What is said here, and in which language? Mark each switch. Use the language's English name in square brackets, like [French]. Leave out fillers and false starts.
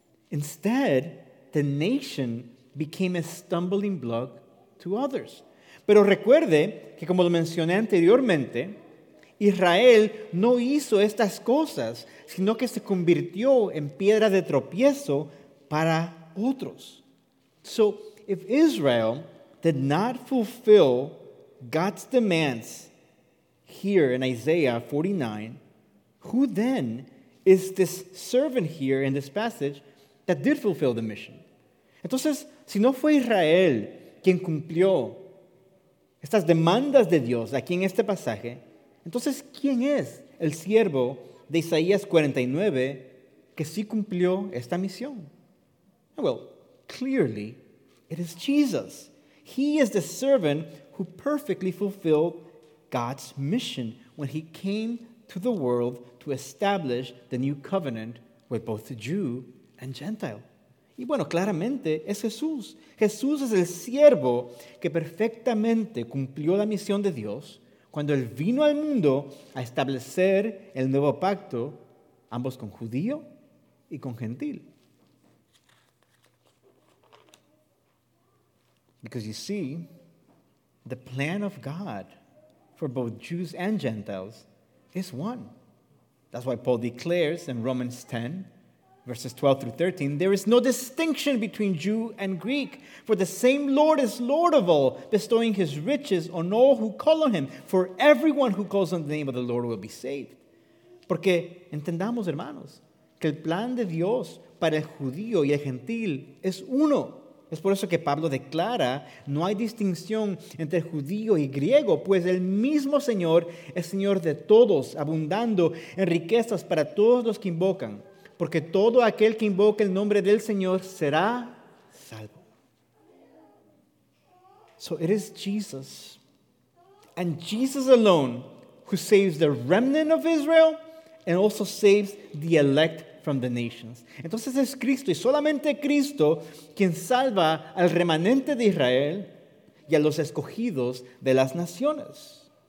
[English] Instead, the nation became a stumbling block to others. [Spanish] Pero recuerde que, como lo mencioné anteriormente, Israel no hizo estas cosas, sino que se convirtió en piedra de tropiezo para otros. [English] So, if Israel did not fulfill God's demands here in Isaiah 49, who then is this servant here in this passage that did fulfill the mission? [Spanish] Entonces, si no fue Israel quien cumplió estas demandas de Dios aquí en este pasaje, entonces, ¿quién es el siervo de Isaías 49 que sí cumplió esta misión? [English] Well, clearly, it is Jesus. He is the servant who perfectly fulfilled God's mission when he came to the world to establish the new covenant with both the Jew and Gentile. [Spanish] Y bueno, claramente es Jesús. Jesús es el siervo que perfectamente cumplió la misión de Dios cuando él vino al mundo a establecer el nuevo pacto, ambos con judío y con gentil. [English] Because you see, the plan of God for both Jews and Gentiles is one. That's why Paul declares in Romans 10, verses 12 through 13, there is no distinction between Jew and Greek, for the same Lord is Lord of all, bestowing his riches on all who call on him. For everyone who calls on the name of the Lord will be saved. [Spanish] Porque entendamos, hermanos, que el plan de Dios para el judío y el gentil es uno. Es por eso que Pablo declara, no hay distinción entre judío y griego, pues el mismo Señor es Señor de todos, abundando en riquezas para todos los que invocan. porque todo aquel que invoque el nombre del Señor será salvo. [English] So it is Jesus, and Jesus alone, who saves the remnant of Israel and also saves the elect from the nations. [Spanish] Entonces es Cristo y solamente Cristo quien salva al remanente de Israel y a los escogidos de las naciones.